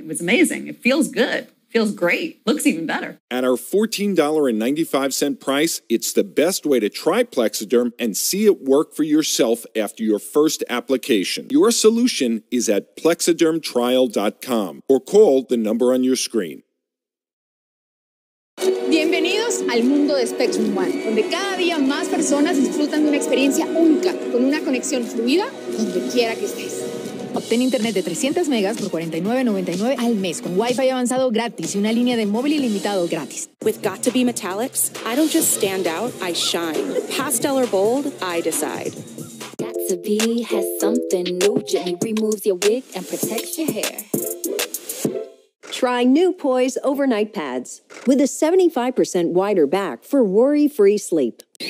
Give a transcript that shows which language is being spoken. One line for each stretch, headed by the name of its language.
English: It was amazing. It feels good. Feels great. Looks even better. At our $14.95 price, it's the best way to try Plexiderm and see it work for yourself after your first application. Your solution is at plexidermtrial.com or call the number on your screen.
Spanish: Bienvenidos al mundo de Spectrum One, donde cada día más personas disfrutan de una experiencia única, con una conexión fluida donde quiera que estés. Obtén internet de 300 megas por $49.99 al mes con Wi-Fi avanzado gratis y una línea de móvil ilimitado gratis.
English: With Got to Be Metallics, I don't just stand out, I shine. Pastel or bold, I decide. Got to Be has something new, gently removes your wig and protects your hair. Try new Poise overnight pads with a 75% wider back for worry-free sleep.